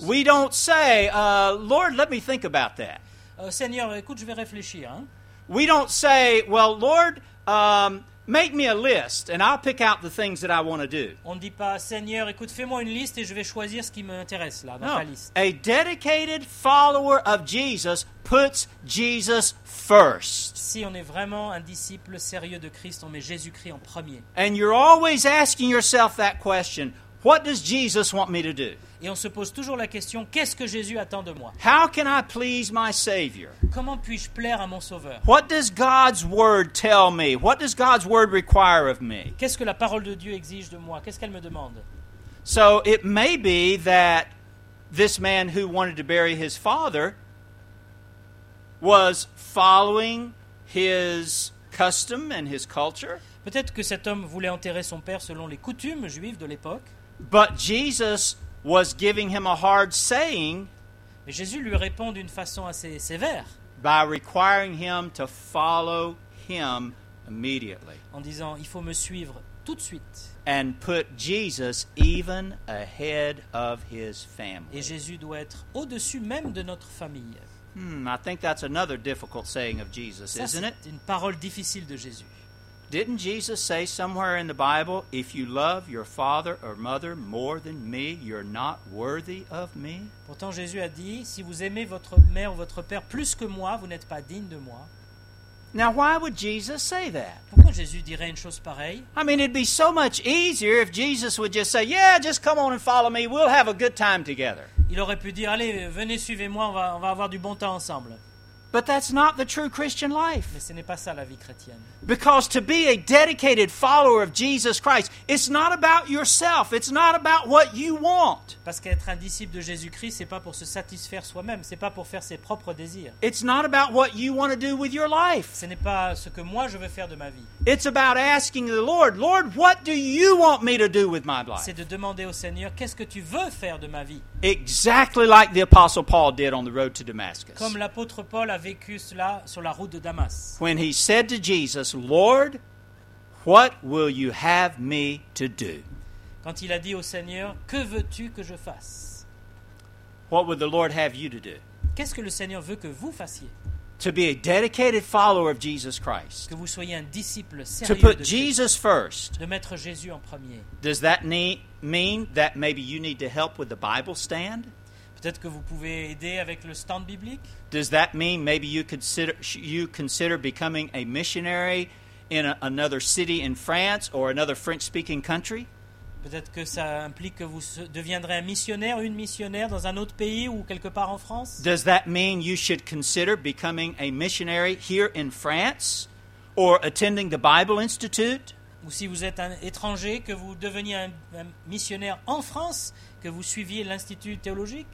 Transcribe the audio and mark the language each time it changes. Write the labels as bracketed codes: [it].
[en] we don't say, Lord, let me think about that. [fr] Seigneur, écoute, je vais réfléchir, hein? [en] We don't say, well, Lord, make me a list and I'll pick out the things that I want to do. [fr] On dit pas, Seigneur, écoute, fais-moi une liste et je vais choisir ce qui m'intéresse là, dans [en] no. [fr] ta liste. [en] A dedicated follower of Jesus puts Jesus first. [fr] Si on est vraiment un disciple sérieux de Christ, on met Jésus-Christ en premier. [en] And you're always asking yourself that question. What does Jesus want me to do? [fr] Et on se pose toujours la question, qu'est-ce que Jésus attend de moi? [en] How can I please my Savior? [fr] Comment puis-je plaire à mon Sauveur? [en] What does God's word tell me? What does God's word require of me? [fr] Qu'est-ce que la parole de Dieu exige de moi? Qu'est-ce qu'elle me demande? [en] So it may be that this man who wanted to bury his father was following his custom and his culture. [fr] Peut-être que cet homme voulait enterrer son père selon les coutumes juives de l'époque. [en] But Jesus was giving him a hard saying. [fr] Mais Jésus lui répond d'une façon assez sévère. [en] By requiring him to follow him immediately. [fr] En disant, il faut me suivre tout de suite. [en] And put Jesus even ahead of his family. [fr] Et Jésus doit être au-dessus même de notre famille. [en] I think that's another difficult saying of Jesus, [fr] ça, [en] isn't it? [fr] C'est une parole difficile de Jésus. [en] Didn't Jesus say somewhere in the Bible, if you love your father or mother more than me, you're not worthy of me? [fr] Pourtant Jésus a dit, si vous aimez votre mère ou votre père plus que moi, vous n'êtes pas digne de moi. [en] Now why would Jesus say that? [fr] Pourquoi Jésus dirait une chose pareille? [en] I mean, it'd be so much easier if Jesus would just say, yeah, just come on and follow me, we'll have a good time together. [fr] Il aurait pu dire, allez, venez, suivez-moi, on va avoir du bon temps ensemble. [en] But that's not the true Christian life. [fr] Mais ce n'est pas ça la vie chrétienne. [en] Because to be a dedicated follower of Jesus Christ, it's not about yourself. It's not about what you want. [fr] Parce qu'être un disciple de Jésus-Christ, c'est pas pour se satisfaire soi-même. C'est pas pour faire ses propres désirs. [en] It's not about what you want to do with your life. [fr] Ce n'est pas ce que moi je veux faire de ma vie. [en] It's about asking the Lord, Lord, what do you want me to do with my life? [fr] C'est de demander au Seigneur, qu'est-ce que tu veux faire de ma vie? [en] Exactly like the Apostle Paul did on the road to Damascus. [fr] Comme l'apôtre Paul a vécu cela sur la route de Damas. [en] When he said to Jesus, Lord, what will you have me to do? [fr] Quand il a dit au Seigneur, que veux-tu que je fasse? [en] What would the Lord have you to do? [fr] Qu'est-ce que le Seigneur veut que vous fassiez? [en] To be a dedicated follower of Jesus Christ. [fr] Que vous soyez un disciple sérieux de [en] Jésus. To put Jesus first. [fr] De mettre Jésus en premier. [en] Does that mean that maybe you need to help with the Bible stand? [fr] Peut-être que vous pouvez aider avec le stand biblique. [en] Does that mean maybe you consider becoming a missionary in another city in France or another French-speaking country? [fr] Peut-être que ça implique que vous deviendrez un missionnaire, une missionnaire dans un autre pays ou quelque part en France? [en] Does that mean you should consider becoming a missionary here in France or attending the Bible Institute? [fr] Ou si vous êtes un étranger, que vous deveniez un missionnaire en France, que vous suiviez l'Institut théologique?